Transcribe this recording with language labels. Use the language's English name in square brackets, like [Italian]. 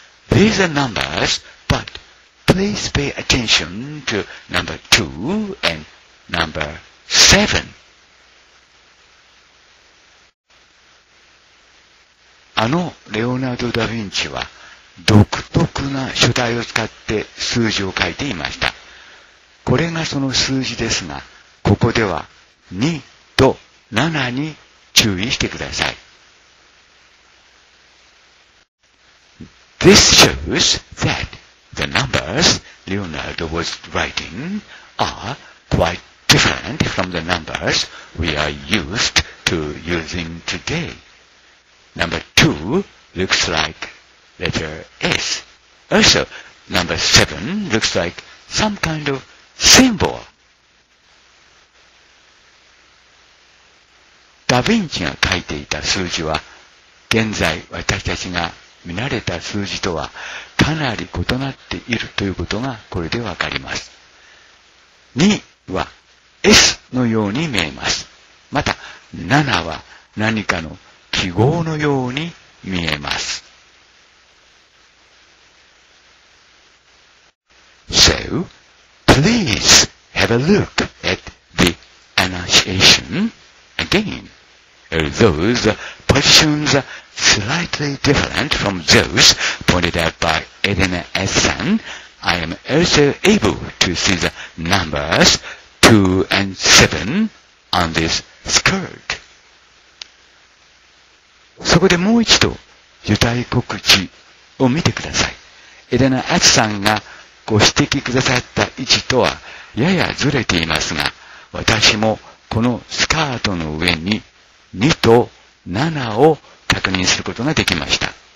[English] These are numbers, but please pay attention to number 2 and number 7. [Japanese] あのレオナルド・ダ・ヴィンチは独特な書体を使って数字を書いていました。これがその数字ですが、ここでは2と7に注意してください。 [English] This shows that the numbers Leonardo was writing are quite different from the numbers we are used to using today. Number 2 looks like letter S. Also, number 7 looks like some kind of symbol. [Japanese] ダ・ヴィンチが書いていた数字は、現在私たちが見慣れた数字とはかなり異なっているということがこれでわかります。 2は S のように見えます。また、7は何かの記号のように見えます。 [English] So, please have a look at the Annunciation again. Although the positions slightly different from those pointed out by Elena S-san, I am also able to see the numbers 2 and 7 on this skirt. [Japanese] そこでもう一度、受胎告知を見てください。エレナ・アツさんがご指摘くださった位置とはややずれていますが、私もこのスカートの上に2と7を確認することができました。